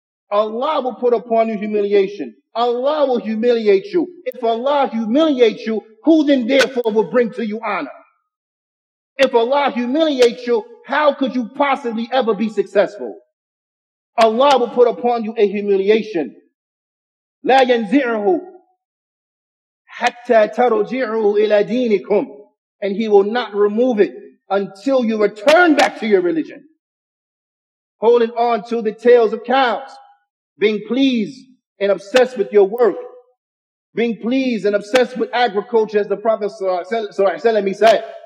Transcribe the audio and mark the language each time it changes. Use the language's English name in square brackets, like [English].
[English] Allah will put upon you humiliation. Allah will humiliate you. If Allah humiliates you, who then therefore will bring to you honor? If Allah humiliates you, how could you possibly ever be successful? Allah will put upon you a humiliation. [Arabic] لا ينزعه حتى ترجعه إلى دينكم. [English] And he will not remove it until you return back to your religion. Holding on to the tails of cows, being pleased and obsessed with your work, being pleased and obsessed with agriculture, as the Prophet sallallahu alaihi wasallam said.